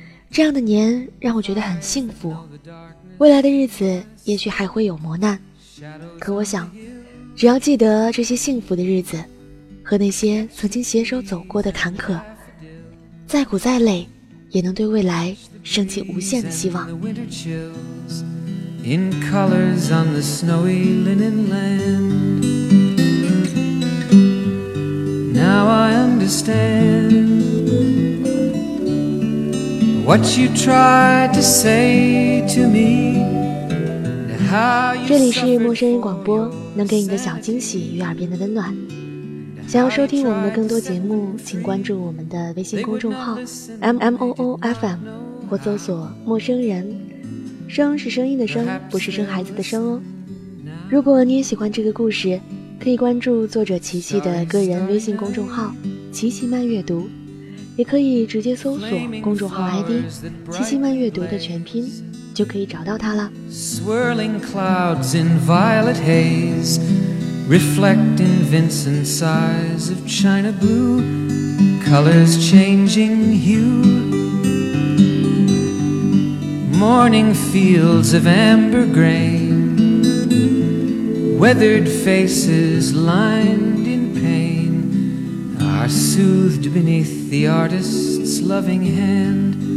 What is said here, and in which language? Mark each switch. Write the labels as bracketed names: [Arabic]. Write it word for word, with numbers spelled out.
[Chinese] 这样的年让我觉得很幸福，未来的日子也许还会有磨难，可我想只要记得这些幸福的日子和那些曾经携手走过的坎坷，再苦再累，也能对未来升起无限的希望。 [English] In colors on the snowy linen land, now I understand what you tried to say to me. [Chinese] 这里是陌生人广播，能给你的小惊喜与耳边的温暖。想要收听我们的更多节目，请关注我们的微信公众号 M M O O F M，或搜索陌生人，声是声音的声，不是生孩子的声哦。如果你也喜欢这个故事，可以关注作者琪琪的个人微信公众号琪琪慢阅读，也可以直接搜索公众号 I D 琪琪慢阅读的全拼，就可以找到它了。 [English] Swirling clouds in violet haze reflect in Vincent's eyes of china blue, colors changing hue, morning fields of amber grain, weathered faces lined in pain are soothed beneath the artist's loving hand.